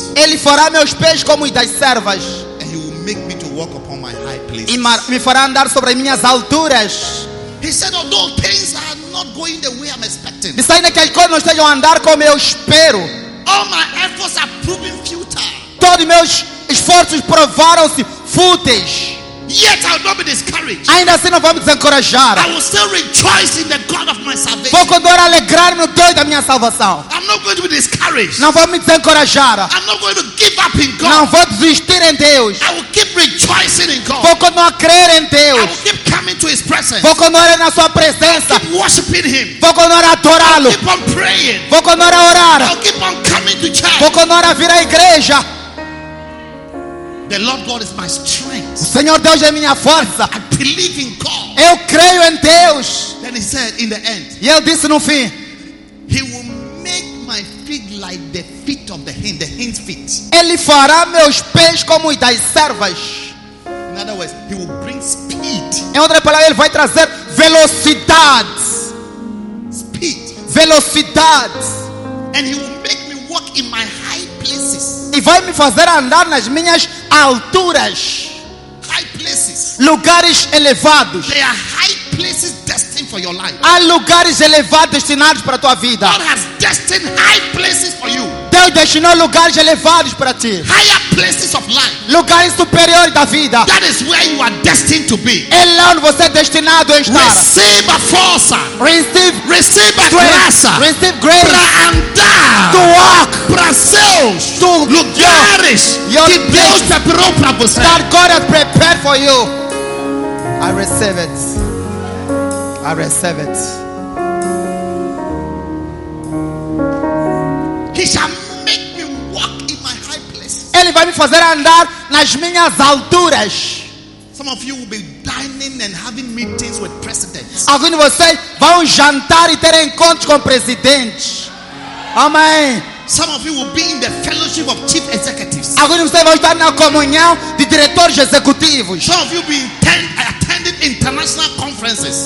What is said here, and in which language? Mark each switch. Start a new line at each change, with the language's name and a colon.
Portuguese: Ele fará meus pés como os das servas.
English: And he will make me to walk upon my high places.
Portuguese: E me fará andar sobre as minhas alturas.
English: He said, although things are not going the way I'm expecting.
Portuguese: Diz ainda que as coisas não estejam a andar como eu espero.
English: All my efforts are proving futile.
Portuguese: Todos meus esforços provaram-se fúteis.
English: Yet I will not be discouraged.
Portuguese: Ainda assim não vou me desencorajar.
English: I will still rejoice in the God of my salvation.
Portuguese: Vou continuar a alegrar-me no Deus da minha salvação.
English: I'm not going to be discouraged.
Portuguese: Não vou me desencorajar.
English: I'm not going to give up in God.
Portuguese: Não vou desistir em Deus.
English: I will keep rejoicing in God.
Portuguese: Vou continuar a crer em Deus.
English: I will keep coming to his presence.
Portuguese: Vou continuar na sua presença.
English: I'll keep worshiping him.
Portuguese: Vou continuar a adorá-lo.
English: I'll keep on praying.
Portuguese: Vou continuar a orar.
English: I'll keep on coming to church.
Portuguese: Vou continuar a vir à igreja.
English: The Lord God is my strength.
Portuguese: O Senhor Deus é minha força.
English: I believe in God.
Portuguese: Eu creio em Deus.
English: Then he said in the end.
Portuguese: E ele disse no fim.
English: He will make my feet like the feet of the hen, the hen's feet.
Portuguese: Ele fará meus pés como os das servas.
English: In other words, he will bring speed.
Portuguese: Em outra palavra, ele vai trazer velocidade.
English: Speed.
Portuguese: Velocidade.
English: And he will make me walk in my high places.
Portuguese: E vai me fazer andar nas minhas alturas.
English: High places.
Portuguese: Lugares elevados.
English: There are high places destined for your life.
Portuguese: Há lugares elevados destinados para a tua vida.
English: God has destined high places for you.
Portuguese: Deus destinou lugares elevados para ti.
English: Higher places of life.
Portuguese: Lugares superiores da vida.
English: That is where you are destined to be.
Portuguese: É lá onde você é destinado a estar. Receive a força.
English: Receive.
Portuguese: Receive a graça.
English: Receive grace.
Portuguese: Para andar.
English: To walk.
Portuguese: Para seus.
English: To
Portuguese: lugares.
English: Your
Portuguese: que Deus preparou para você.
English: That God has prepared for you. I receive it. I receive it. He shall make me walk in my high places.
Portuguese: Ele vai me fazer andar nas minhas alturas.
English: Some of you will be dining and having meetings with presidents.
Portuguese: Alguns de vocês vão jantar e ter encontros com presidentes. Amém.
English: Some of you will be in the fellowship of chief executives.
Portuguese: Alguns de vocês vão estar na comunhão de diretores executivos.
English: Some of you will be attending international conferences.